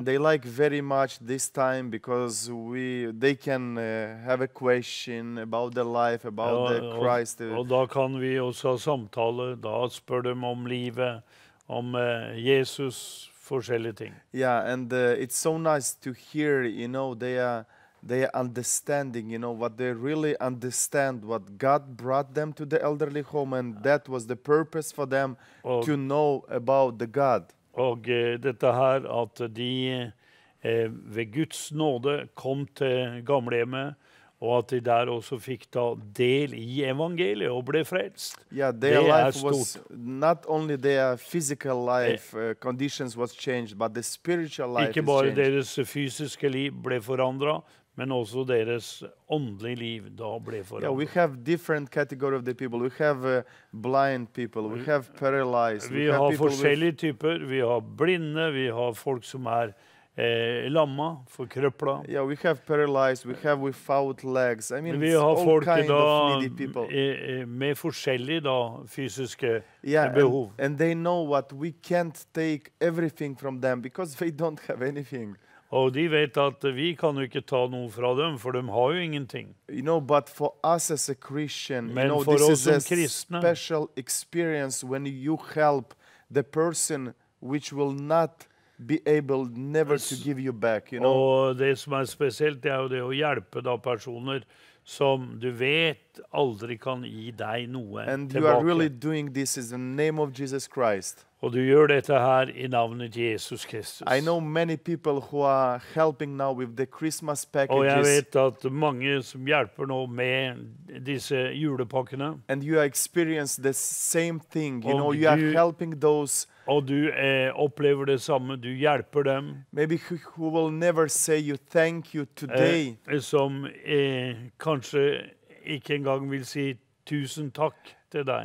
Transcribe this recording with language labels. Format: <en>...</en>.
<en>And they like very much this time, because they can have a question about the life, about the Christ.</en> <no>Og da kan vi også ha samtale, da spør de om livet, om Jesus forskjellige ting.</no> <en>Yeah, and it's so nice to hear, you know, they are understanding, you know, what they really understand, what God brought them to the elderly home, and that was the purpose for them to know about the God.</en> <no>Og dette her, at de ved Guds nåde kom til gamlehjemmet, og at de der også fikk da del I evangeliet og ble frelst.</no> <en>Yeah, their life was not only their physical life conditions was changed, but the spiritual life</en> <no>ikke bare deres fysiske liv ble forandret, men også deres åndelige liv da ble forandret.</no> <en>Yeah, we have different category of the people. We have blind people, we have paralyzed.</en> <no>Vi har forskjellige typer. Vi har blinde, vi har folk som lamma, for krøpla.</no> <en>Yeah, we have paralyzed, we have without legs. I mean,</en> <no>vi har folk I dag med forskjellige da, fysiske behov.</no> <en>Yeah, and they know what we can't take everything from them, because they don't have anything.</en> <no>Og de vet at vi kan jo ikke ta noe fra dem, for de har jo ingenting.</no> <en>You know, but for us as a Christian,</en> <no>men</no> <en>you know,</en> <no>for</no> <en>this is a special experience when you help the person which will not be able never to give you back, you know.</en> <no>Og det som spesielt, det jo det å hjelpe da personer som du vet aldri kan gi deg noe</no> <en>and</en> <no>tilbake.</no> <en>You are really doing this in the name of Jesus Christ.</en> <no>Og du gjør dette her I navnet Jesus Kristus.</no> <en>I know many people who are helping now with the Christmas packages.</en> <no>Og jeg vet at mange som hjelper nå med disse julepakkene.</no> <en>And you are experiencing the same thing, you know, you are helping those.</en> <no>Og du opplever det samme, du hjelper dem.</no> <en>Maybe who will never say you thank you today.</en> <no>Som kanskje ikke engang vil si tusen takk til deg.</no>